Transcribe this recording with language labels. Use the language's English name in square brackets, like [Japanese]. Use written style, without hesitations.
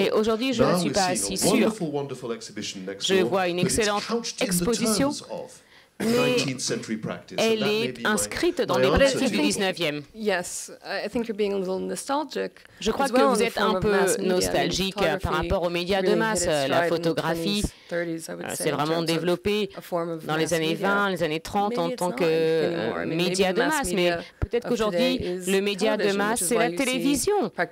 [French] Mais aujourd'hui, je ne suis pas si sûr. [English] Wonderful exhibition next door, [French] je vois une excellente exposition, mais [English] 19th century practice, [French] elle est inscrite dans les pratiques du 19e. [English] Yes, I think you're being a little nostalgic. [French] Je crois que vous êtes un peu nostalgique par rapport aux médias de masse. La photographie s'est vraiment développée dans les années 20, les années 30 en tant que média de masse. Mais peut-être qu'aujourd'hui, le média de masse, c'est la télévision.